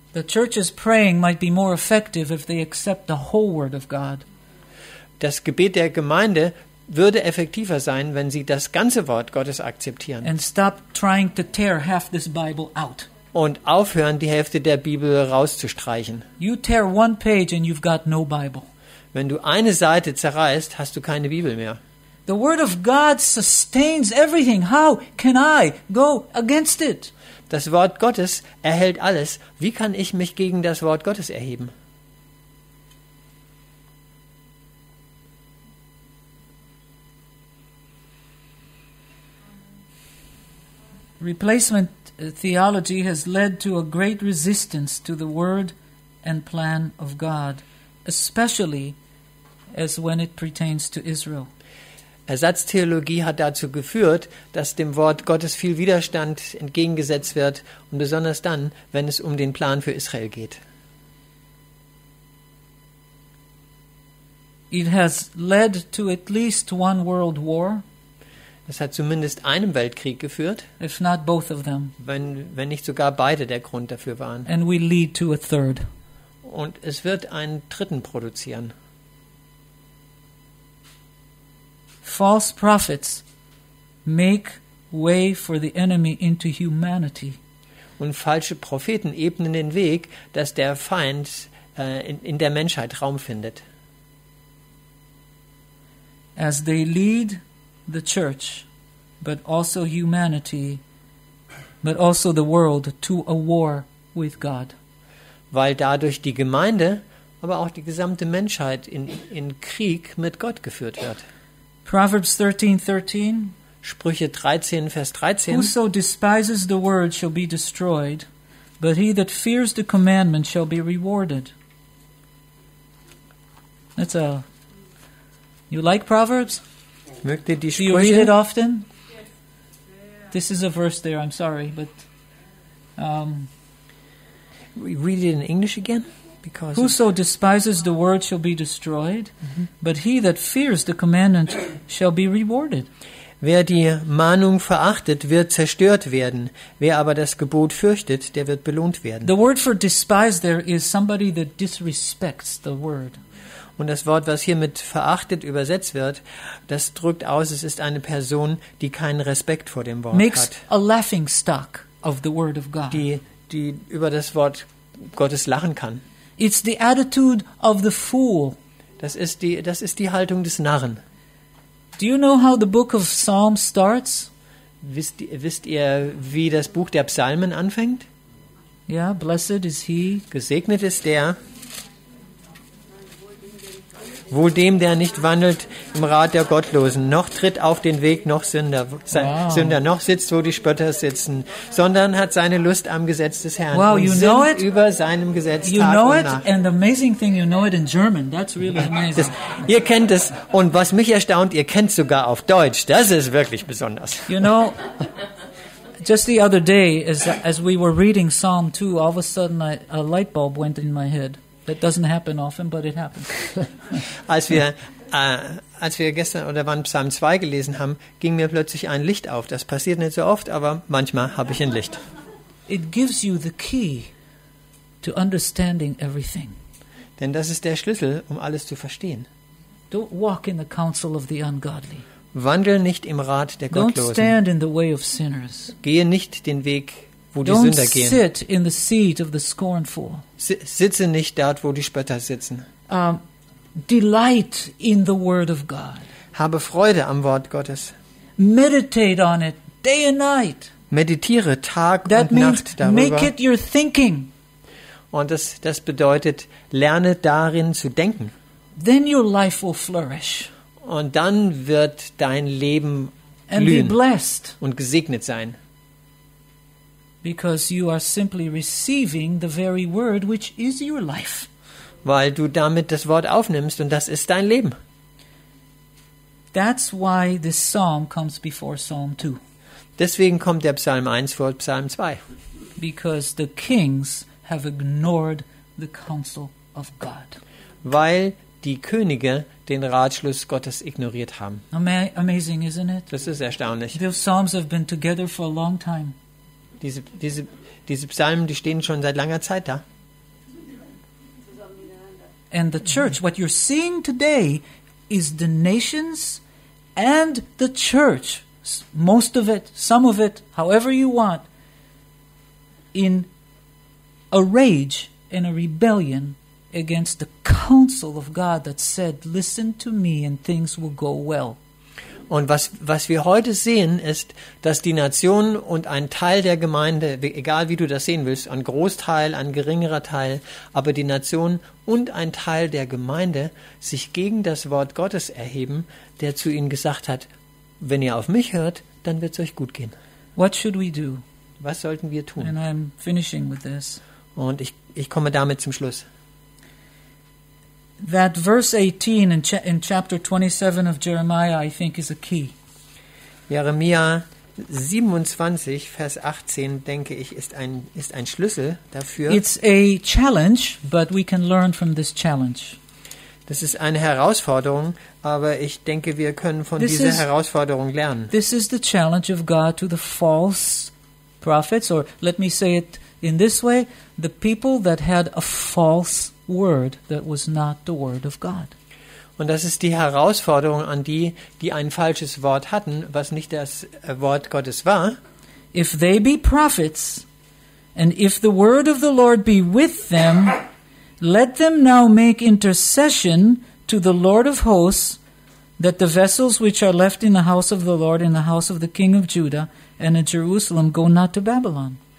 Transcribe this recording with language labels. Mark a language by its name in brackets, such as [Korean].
[English] The church's praying might be more effective if they accept the whole word of God. [German] Das Gebet der Gemeinde würde effektiver sein, wenn sie das ganze Wort Gottes akzeptieren. [English] And stop trying to tear half this Bible out. [German] Und aufhören, die Hälfte der Bibel rauszustreichen. [English] You tear one page and you've got no Bible. [German] Wenn du eine Seite zerreißt, hast du keine Bibel mehr. [English] The word of God sustains everything. How can I go against it? [German] Das Wort Gottes erhält alles. Wie kann ich mich gegen das Wort Gottes erheben? [English] Replacement theology has led to a great resistance to the word and plan of God, especially as when it pertains to Israel. [German] Ersatztheologie hat dazu geführt, dass dem Wort Gottes viel Widerstand entgegengesetzt wird und besonders dann, wenn es um den Plan für Israel geht. [English] It has led to at least one world war. [German] Es hat zumindest einem Weltkrieg geführt. [English] If not both of them. [German] Wenn nicht sogar beide der Grund dafür waren. [English] And we lead to a third. [German] Und es wird einen dritten produzieren. [English] False prophets make way for the enemy into humanity. [German] Und falsche Propheten ebnen den Weg, dass der Feind in der Menschheit Raum findet. [English] As they lead the church, but also humanity, but also the world to a war with God. [German] Weil dadurch die Gemeinde, aber auch die gesamte Menschheit in Krieg mit Gott geführt wird. [English] Proverbs 13:13. [German] Sprüche 13, Vers 13. [English] Whoso despises the word shall be destroyed, but he that fears the commandment shall be rewarded. That's a... You like Proverbs? [German] Mögt ihr die Sprüche? [English] Do you read it often? This is a verse there, I'm sorry, but... We read it in English again? Because whoso despises the word shall be destroyed, mm-hmm. but he that fears the commandment shall be rewarded. [German] Wer die Mahnung verachtet, wird zerstört werden. Wer aber das Gebot fürchtet, der wird belohnt werden. [English] The word for despise there is somebody that disrespects the word. [German] Und das Wort, was hier mit verachtet übersetzt wird, das drückt aus, es ist eine Person, die keinen Respekt vor dem Wort [English] makes [German] hat. [English] Makes a laughing stock of the word of God. [German] Die über das Wort Gottes lachen kann. [English] It's the attitude of the fool. [German] Das ist die Haltung des Narren. [English] Do you know how the book of Psalms starts? [German] Wisst ihr, wie das Buch der Psalmen anfängt? [English] Yeah, blessed is he. [German] Gesegnet ist der. Wohl dem, der nicht wandelt im Rat der Gottlosen, noch tritt auf den Weg noch Sünder, Sünder noch sitzt, wo die Spötter sitzen, sondern hat seine Lust am Gesetz des Herrn. [English] Wow, you know it? [German] Über seinem Gesetz [English] you [German] Tag [English] know [German] und [English] it? [German] Nacht. [English] And the amazing thing, you know it in German. That's really amazing. [German] Das, ihr kennt es, und was mich erstaunt, ihr kennt es sogar auf Deutsch. Das ist wirklich besonders. [English] You know, just the other day, as we were reading Psalm 2, all of a sudden a light bulb went in my head. That doesn't happen often, but it happens. [German] Als wir gestern oder wann Psalm 2 gelesen haben, ging mir plötzlich ein Licht auf. Das passiert nicht so oft, aber manchmal habe ich ein Licht. [English] It gives you the key to understanding everything. [German] Denn das ist der Schlüssel, um alles zu verstehen. [English] Don't walk in the counsel of the ungodly. [German] Wandel nicht im Rat der [English] Don't [German] Gottlosen. [English] Stand in the way of sinners. [German] Gehe nicht den Weg, wo [English] Don't [German] die Sünder gehen. [English] Sit in the seat of the scornful. [German] Sitze nicht dort, wo die Spötter sitzen. [English] Delight in the word of God. [German] Habe Freude am Wort Gottes. [English] Meditate on it day and night. [German] Meditiere Tag [English] That [German] und Nacht darüber. [English] Make it your thinking. [German] Und das bedeutet, lerne darin zu denken. [English] Then your life will flourish. [German] Und dann wird dein Leben [English] and [German] blühen [English] be blessed. [German] Und gesegnet sein. [English] Because you are simply receiving the very word which is your life. [German] Weil du damit das Wort aufnimmst und das ist dein Leben. [English] That's why this psalm comes before Psalm 2. [German] Deswegen kommt der Psalm 1 vor Psalm 2. [English] Because the kings have ignored the counsel of God. [German] Weil die Könige den Ratschluss Gottes ignoriert haben. [English] Amazing, isn't it? [German] Das ist erstaunlich. [English] The psalms have been together for a long time. [German] Diese Psalmen, die stehen schon seit langer Zeit da. [English] And the church, what you're seeing today is the nations and the church, most of it, some of it, however you want, in a rage and a rebellion against the counsel of God that said, listen to me and things will go well. [German] Und was wir heute sehen, ist, dass die Nation und ein Teil der Gemeinde, egal wie du das sehen willst, ein Großteil, ein geringerer Teil, aber die Nation und ein Teil der Gemeinde sich gegen das Wort Gottes erheben, der zu ihnen gesagt hat, wenn ihr auf mich hört, dann wird es euch gut gehen. [English] What should we do? [German] Was sollten wir tun? [English] And I'm finishing with this. [German] Und ich komme damit zum Schluss. [English] That verse 18 in chapter 27 of Jeremiah, I think, is a key. [German] Jeremia 27, Vers 18, denke ich, ist ein Schlüssel dafür. [English] It's a challenge, but we can learn from this challenge. [German] Das ist eine Herausforderung, aber ich denke, wir können von dieser Herausforderung lernen. [English] This is the challenge of God to the false prophets, or let me say it in this way, the people that had a false word that was not the word of God. [German] Und das ist die Herausforderung an die, die ein falsches Wort hatten, was nicht das Wort Gottes war. [English] If they be prophets, and if the word of the Lord be with them, let them now make intercession to the Lord of hosts, that the vessels which are left in the house of the Lord, in the house of the king of Judah, and in Jerusalem, go not to Babylon.